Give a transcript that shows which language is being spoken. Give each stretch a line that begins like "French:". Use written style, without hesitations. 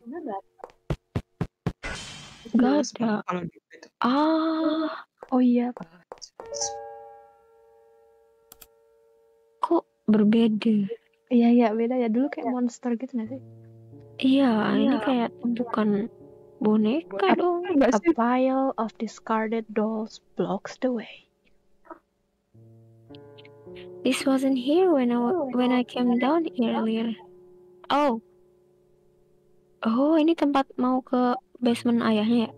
Indonesian: Enggak ada. Ah, oh iya. Kok berbeda? Iya, beda ya. Dulu kayak monster gitu enggak sih? Iya, ini kayak bukan boneka dong.
English: A pile of discarded dolls blocks the way. This wasn't here when I came down earlier.
Indonesian: Oh, ini tempat mau ke basement ayahnya ya?